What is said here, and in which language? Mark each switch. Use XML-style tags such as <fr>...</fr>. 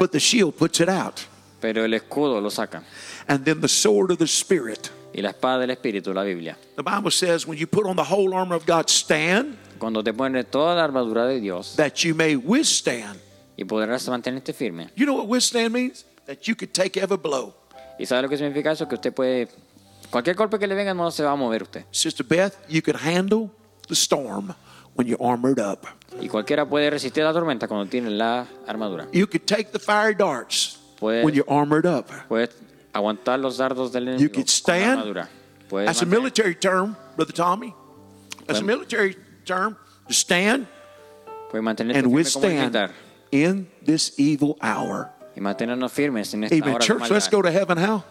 <en>But the shield puts it out.</en> <es>Pero el escudo lo saca.</es> <en>And then the sword of the spirit.</en> <es>Y la espada del espíritu, la Biblia.</es> <en>The Bible says when you put on the whole armor of God, stand.</en> <es>Cuando te pones toda la armadura de Dios.</es> <en>That you may withstand.</en> <es>Y podrás mantenerte firme.</es> <en>You know what withstand means? That you could take every blow.</en> <es>¿Y sabe lo que significa eso? Que usted puede, cualquier golpe que le venga, no se va a mover usted.</es> <en>Sister Beth, you can handle the storm when you're armored up.</en> <es>Y cualquiera puede resistir la tormenta cuando tiene la armadura.</es> <en>You can take the fiery darts when you're armored up.</en> <es>Puede aguantar los dardos del enemigo con la armadura. Puedes</es> <en>that's mantener. A military term, Brother Tommy. That's a military term, to stand</en> <es>puede mantenerse</es> <en>and withstand in this evil hour.</en> <es>Y mantenernos firmes en esta</es> <en>hora. Amen. Church, let's go to heaven, how?</en>